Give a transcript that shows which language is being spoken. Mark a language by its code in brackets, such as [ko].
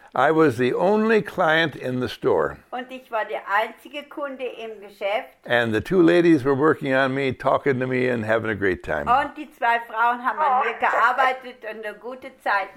[en] I was the only client in the store. [de] Und ich war die einzige Kunde im Geschäft. [en] And the two ladies were working on me, talking to me and having a great time. [de] Und die zwei Frauen haben an mir gearbeitet und eine gute Zeit.